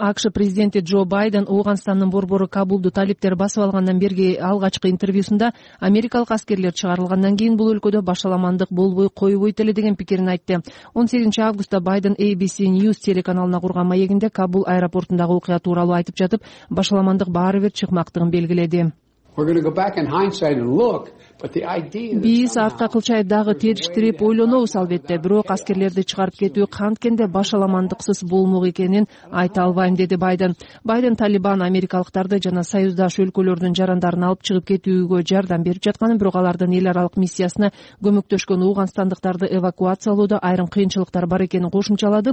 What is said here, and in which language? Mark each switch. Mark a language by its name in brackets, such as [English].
[Kyrgyz] АКШ президенти Джо Байден Ооганстандын борбору Кабулду талиптер басып алгандан берги алгачкы интервьюсунда америкалык аскерлер чыгарылгандан кийин бул өлкөдө башаламандык болбой коюбуйт эле деген пикирин айтты. 18-августта Байден ABC News телеканалына курган маегинде Кабул аэропортундагы окуя тууралуу айтып жатып, башаламандык баары бир чыкмактыгын белгиледи. [English] We're going to go back in hindsight and look, but the idea [Kyrgyz] биз артка кылчайып дагы териштирип ойлонобуз албетте, бирок аскерлерди чыгарып кетүү канткенде башаламандыксыз болмок экенин айта албайм, деди Байден. Байден Талибан америкалыктарды жана союздаш өлкөлөрдүн жарандарын алып чыгып кетүүгө жардам берип жатканын, бирок алардын эл аралык миссиясына көмөктөшкөн уугандандыктарды эвакуациялоодо айрым кыйынчылыктар бар экенин кошумчалады.